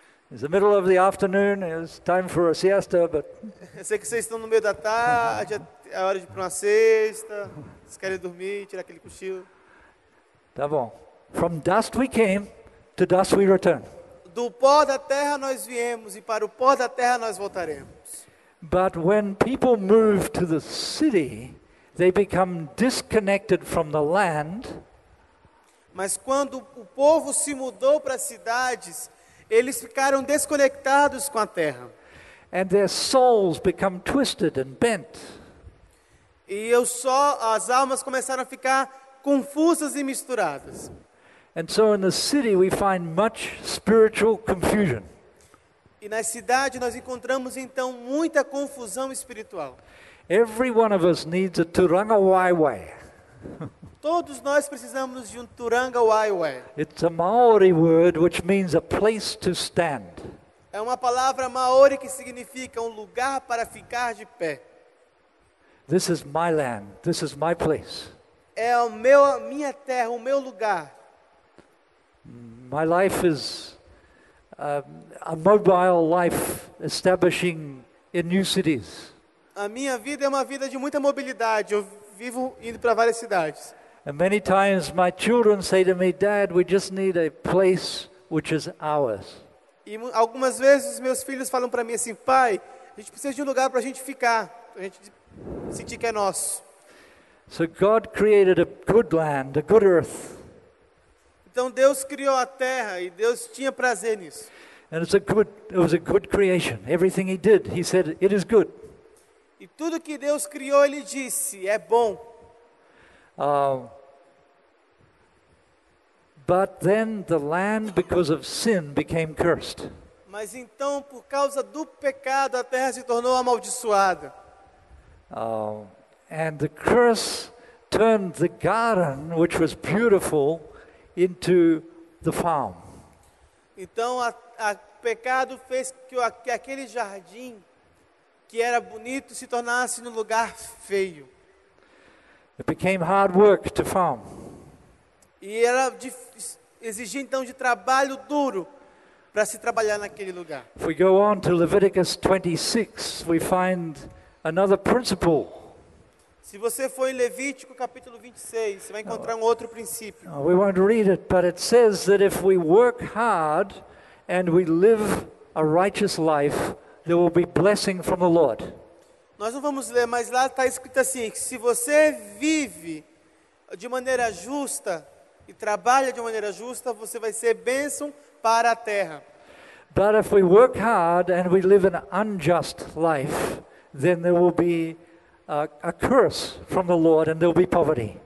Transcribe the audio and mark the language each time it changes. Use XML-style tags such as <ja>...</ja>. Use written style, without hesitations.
<en>It's the middle of the afternoon, it's time for a siesta, but...</en> <pt>Eu sei que vocês estão no meio da tarde, é hora de ir para uma siesta, vocês querem dormir, tirar aquele cochilo. Tá bom.</pt> <en>From dust we came, to dust we return.</en> <pt>Do pó da terra nós viemos e para o pó da terra nós voltaremos.</pt> <en>But when people move to the city, they become disconnected from the land.</en> <pt>Mas quando o povo se mudou para as cidades, eles ficaram desconectados com a terra.</pt> <en>And their souls become twisted and bent.</en> <pt>E eu só as almas começaram a ficar confusas e misturadas.</pt> <en>And so in the city we find much spiritual confusion.</en> <pt>E na cidade nós encontramos então muita confusão espiritual.</pt> <en>Every one of us needs a turanga waiwai.</en> <pt>Todos nós precisamos de um turanga waiwai.</pt> <en>It's a Maori word which means a place to stand.</en> <pt>É uma palavra Maori que significa um lugar para ficar de pé.</pt> <en>This is my land. This is my place.</en> <pt>É o meu, a minha terra, o meu lugar.</pt> <en>My life is a mobile life establishing in new cities.</en> <pt>A minha vida é uma vida de muita mobilidade. Eu vivo indo para várias cidades.</pt> <en>And many times my children say to me, Dad, we just need a place which is ours.</en> <pt>E algumas vezes meus filhos falam para mim assim, pai, a gente precisa de um lugar para a gente ficar, para a gente sentir que é nosso.</pt> <en>So God created a good land, a good earth.</en> <pt>Então Deus criou a terra e Deus tinha prazer nisso.</pt> <en>And it was a good creation. Everything he did, he said, it is good.</en> <pt>E tudo que Deus criou, ele disse, é bom.</pt> <en>But then the land, because of sin, became cursed.</en> <pt>Mas então, por causa do pecado, a terra se tornou amaldiçoada.</pt> <en>And the curse turned the garden, which was beautiful, into the farm.</en> <pt>Então, o pecado fez que aquele jardim que era bonito se tornasse num lugar feio.</pt> <en>It became hard work to farm.</en> <pt>E era exigia então de trabalho duro para se trabalhar naquele lugar.</pt> <en>If we go on to Leviticus 26, we find another principle.</en> <pt>Se você for em Levítico capítulo 26, você vai encontrar um outro princípio.</pt> <en>We won't read it, but it says that if we work hard and we live a righteous life, there will be blessing from the Lord.</en> <pt>Nós não vamos ler, mas lá está escrito assim, que se você vive de maneira justa e trabalha de maneira justa, você vai ser bênção para a terra.</pt> <en>But if we work hard and we live an unjust life, then there will be a curse from the Lord and there will be poverty.</en>